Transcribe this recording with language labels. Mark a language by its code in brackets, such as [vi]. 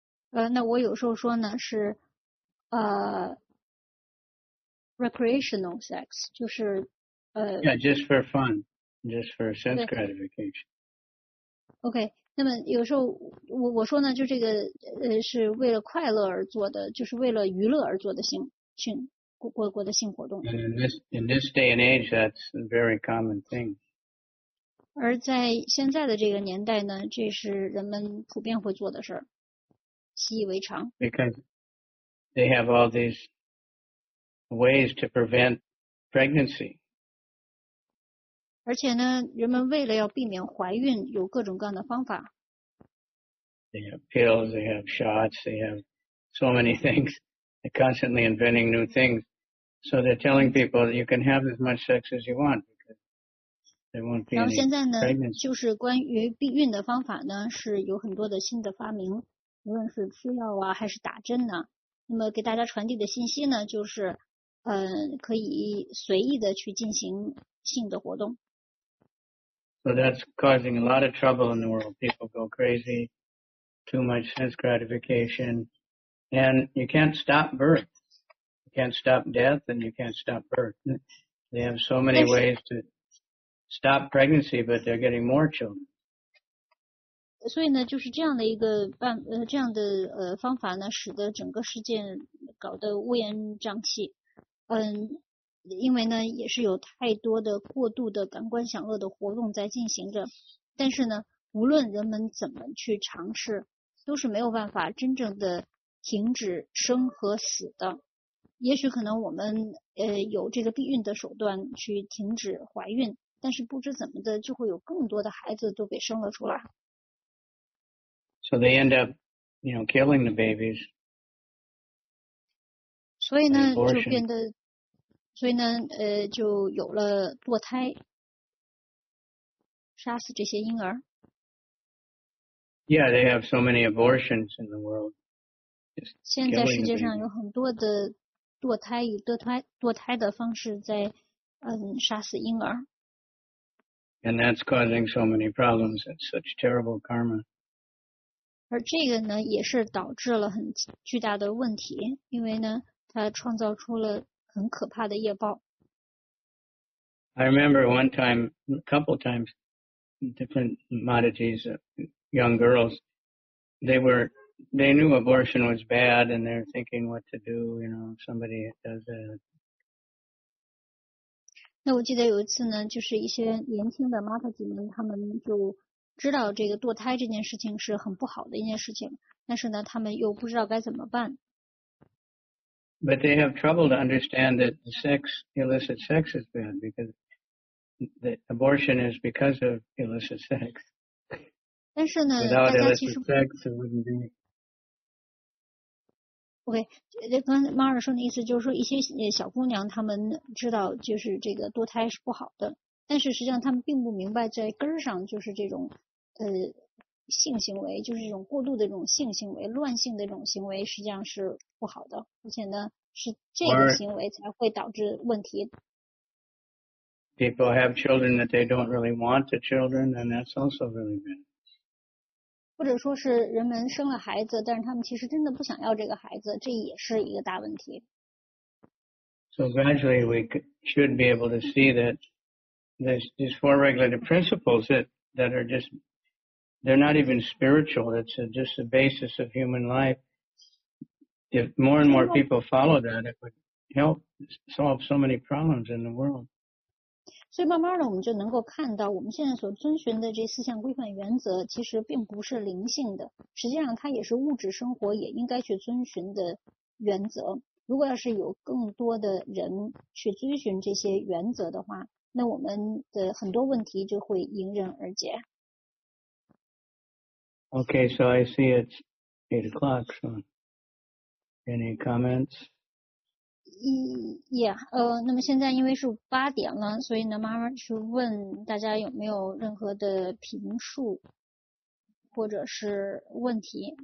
[zh] 那我有时候说呢是 [en] recreational sex, [zh] 就是 [en] Yeah, just for fun, just for sense gratification. [zh] OK, 那么有时候我说呢就这个是为了快乐而做的就是为了娱乐而做的性。的性活动。 [en] And in this day and age, that's a very common thing. [zh] 而在现在的这个年代呢，这是人们普遍会做的事儿，习以为常。 [en] Because they have all these ways to prevent pregnancy. [zh] 而且呢，人们为了要避免怀孕，有各种各样的方法。 [en] They have pills, they have shots, they have so many things. They're constantly inventing new things. So they're telling people that you can have as much sex as you want because there won't be any pregnancy. [zh] 然后现在呢，就是关于避孕的方法呢，是有很多的新的发明，无论是吃药啊，还是打针呢。那么给大家传递的信息呢，就是，可以随意的去进行性的活动。 [en] So that's causing a lot of trouble in the world. People go crazy, too much sense gratification, and you can't stop birth. Can't stop death and you can't stop birth. They have so many ways to stop pregnancy, but they're getting more children. [zh] 所以呢，就是这样的一个办这样的方法呢，使得整个事件搞得乌烟瘴气。因为呢，也是有太多的过度的感官享乐的活动在进行着。但是呢，无论人们怎么去尝试，都是没有办法真正的停止生和死的。也许可能我们有这个避孕的手段去停止怀孕，但是不知怎么的，就会有更多的孩子都给生了出来。 [en] So they end up, you know, killing the babies. [zh] 所以呢，就变得，所以呢，就有了堕胎，杀死这些婴儿。 [en] Yeah, they have so many abortions in the world. [zh] 现在世界上有很多的。堕胎以堕胎的方式在杀死婴儿。 [en] And that's causing so many problems. It's such terrible karma. [zh] 而这个呢也是导致了很巨大的问题，因为呢它创造出了很可怕的业报。 [en] I remember one time, a couple times, different Madhavis, young girls, they knew abortion was bad and they're thinking what to do, you know, if somebody does it. [zh] 那我记得有一次呢，就是一些年轻的妈妈姐们，他们就知道这个堕胎这件事情是很不好的一件事情，但是呢，他们又不知道该怎么办。 [en] But they have trouble to understand that the sex, illicit sex is bad because the abortion is because of illicit sex. [zh] 但是呢， [en] Without illicit sex, it wouldn't be. [zh] OK， 刚才马尔说的意思就是说，一些小姑娘她们知道就是这个堕胎是不好的，但是实际上她们并不明白在根儿上就是这种性行为，就是这种过度的这种性行为、乱性的这种行为实际上是不好的，而且呢是这个行为才会导致问题。 [en] People have children that they don't really want the children, and that's also really bad. [zh] 或者说是人们生了孩子，但是他们其实真的不想要这个孩子，这也是一个大问题。 [en] So gradually we should be able to see that these four regulated principles that are just, they're not even spiritual, it's just the basis of human life. If more and more people follow that, it would help solve so many problems in the world. [zh] 所以慢慢的我们就能够看到我们现在所遵循的这四项规范原则其实并不是灵性的，实际上它也是物质生活也应该去遵循的原则。如果要是有更多的人去遵循这些原则的话，那我们的很多问题就会迎刃而解。 [en] OK, so I see it's 8 o'clock, so any comments? [zh] 那么现在因为是八点了，所以呢，妈妈去问大家有没有任何的评述或者是问题。